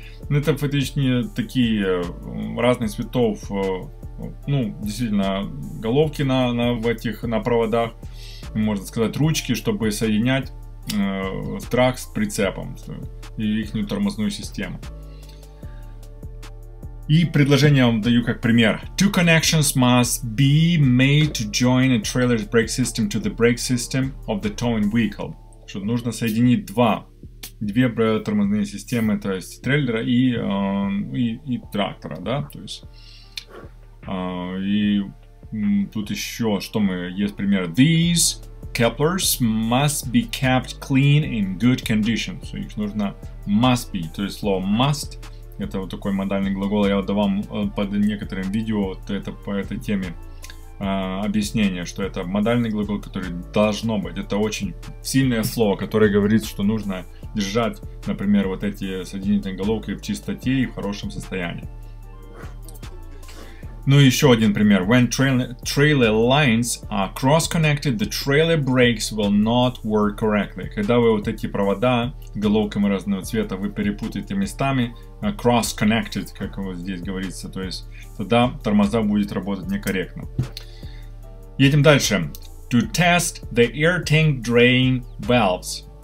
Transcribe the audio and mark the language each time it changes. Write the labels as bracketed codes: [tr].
[ru] Ну, это фактически такие разных цветов, ну, действительно, головки на проводах, можно сказать, ручки, чтобы соединять трак с прицепом и их тормозную систему. И предложение я вам даю как пример. [en] Two connections must be made to join a trailer's brake system to the brake system of the towing vehicle. [ru] Что нужно соединить две тормозные системы, то есть трейлера и трактора, да? То есть, и тут еще, что мы, есть пример. [en] These couplers must be kept clean in good condition. [ru] So, их нужно [en] must be, [ru] то есть слово must. Это вот такой модальный глагол. Я отдавал под некоторым видео вот это, по этой теме объяснение, что это модальный глагол, который должно быть. Это очень сильное слово, которое говорит, что нужно держать, например, вот эти соединительные головки в чистоте и в хорошем состоянии. Ну и еще один пример. [en] When trailer lines are cross-connected, the trailer brakes will not work correctly. [ru] Когда вы вот эти провода головками разного цвета вы перепутаете местами, cross-connected, как вот здесь говорится, то есть тогда тормоза будет работать некорректно. Едем дальше. [en] To test the air tank drain valves.